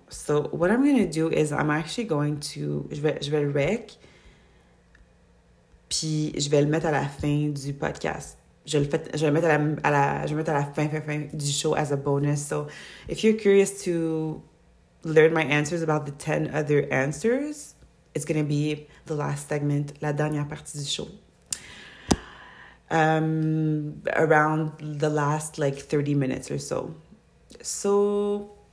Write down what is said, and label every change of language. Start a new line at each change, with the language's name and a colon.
English: So, what I'm going to do is I'm actually going to...
French: Je vais le rec. Puis, je vais le mettre à la fin du podcast. Je vais le mettre à la fin du show
English: as a bonus. So, if you're curious to learn my answers about the 10 other answers, it's going to be the last segment,
French: la dernière partie du show.
English: Around the last, like, 30 minutes or so. So...